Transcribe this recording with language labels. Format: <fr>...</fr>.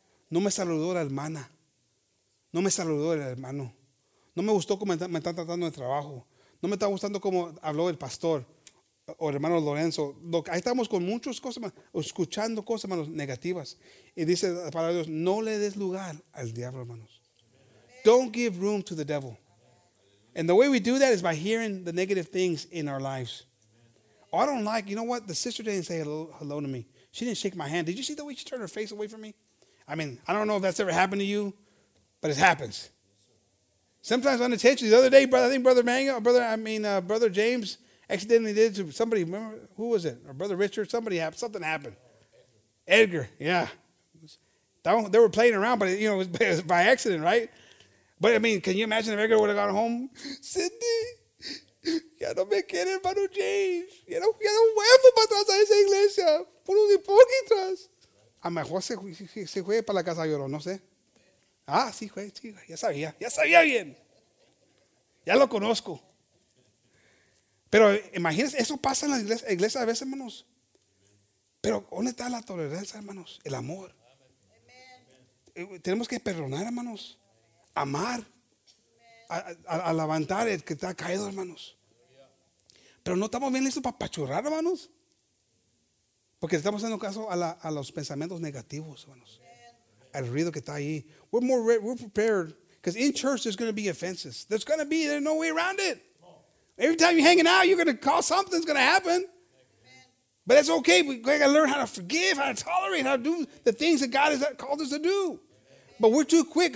<es>No me saludó la hermana. No me saludó el hermano. No me gustó cómo me están tratando de trabajo. No me está gustando cómo habló el pastor o el hermano Lorenzo. Ahí estamos con muchas cosas, hermano, escuchando cosas, hermanos, negativas. Y dice la palabra de Dios, no le des lugar al diablo, hermanos.</es> <en>Don't give room to the devil. And the way we do that is by hearing the negative things in our lives. Oh, I don't like, you know what? The sister didn't say hello to me. She didn't shake my hand. Did you see the way she turned her face away from me? I mean, I don't know if that's ever happened to you, but it happens. Sometimes unintentionally. The other day, brother, I think Brother Manga, Brother James accidentally did to somebody. Remember, who was it? Or Brother Richard? Somebody happened. Something happened. Edgar, yeah. They were playing around, but you know, it was by accident, right? But I mean, can you imagine if Edgar would have gone home?</en> <es>Cindy, ya no me quiere, Brother James. Ya no vuelvo para atrás a esa iglesia. Puros hipócritas. A mejor se fue para la casa de oro, no sé. Ah, sí, fue, sí, ya sabía bien. Ya lo conozco. Pero imagínense, eso pasa en la iglesia a veces, hermanos. Pero ¿dónde está la tolerancia, hermanos? El amor. Amen. Tenemos que perdonar, hermanos. Amar. A levantar el que está caído, hermanos. Pero no estamos bien listos para pachurrar, hermanos. Porque estamos haciendo caso a los pensamientos negativos, hermanos. Al ruido que está ahí.</es> <en>We're prepared. Because in church, there's going to be offenses. There's no way around it. Every time you're hanging out, you're going to cause something's going to happen. Amen. But it's okay. We got to learn how to forgive, how to tolerate, how to do the things that God has called us to do. Amen. But we're too quick.</en>